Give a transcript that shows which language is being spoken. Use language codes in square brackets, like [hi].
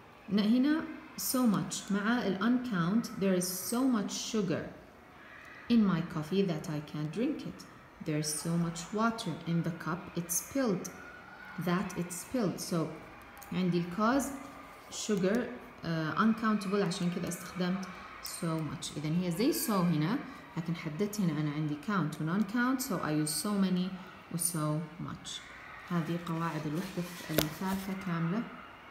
[ar] هنا [en] so much [ar] مع الuncount. [en] There is so much sugar in my coffee that I can't drink it. There is so much water in the cup it spilled. So [ar] عندي [en] cause sugar uncountable [ar] عشان كذا استخدمت [en] so much. [ar] إذن هي زي [en] so [ar] هنا لكن حددت هنا أنا عندي count و non-count. [en] So I use so many [ar] و [en] so much. [ar] هذه قواعد الوحدة المثالثة كاملة.